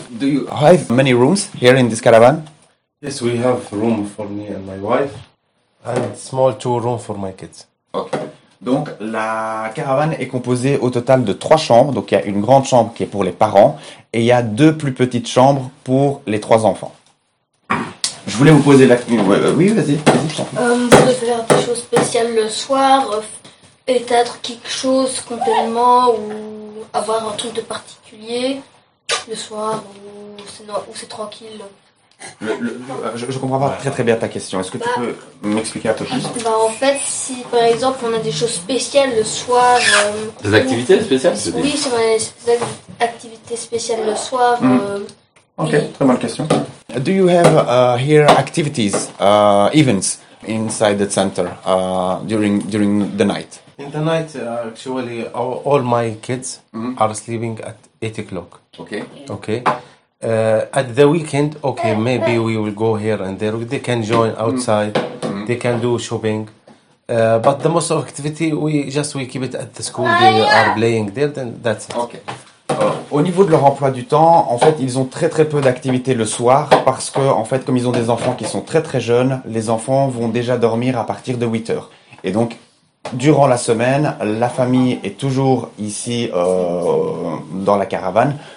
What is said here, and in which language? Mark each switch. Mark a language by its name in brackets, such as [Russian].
[English] Do you have many rooms here in this caravan? Yes, we have room for me and my wife and small two rooms for my kids. Okay. [French] Donc la caravane est composée au total de trois chambres. Donc il y a une grande chambre qui est pour les parents et il y a deux plus petites chambres pour les trois enfants. Je voulais vous poser la question. Oui, vas-y. Vous devez faire des choses spéciales le soir, peut-être quelque chose complètement ou avoir un truc de particulier le soir ou c'est tranquille. Je comprends pas très très bien ta question. Est-ce que tu peux m'expliquer un peu plus? Bah en fait, si par exemple on a des choses spéciales le soir. Des activités spéciales? Oui, si on a des activités spéciales le soir. Ok, très bonne question. [English] Do you have here activities, events inside the center during the night? In the night, actually, all my kids are sleeping at 8 o'clock. Okay. Okay. At the weekend, okay, maybe we will go here and there. They can join outside. Mm-hmm. They can do shopping. But the most of activity, we keep it at the school. They are playing there, then that's it. Okay. [French] Au niveau de leur emploi du temps, en fait, ils ont très très peu d'activités le soir parce que, en fait, comme ils ont des enfants qui sont très très jeunes, les enfants vont déjà dormir à partir de 8 heures. Et donc, durant la semaine, la famille est toujours ici dans la caravane.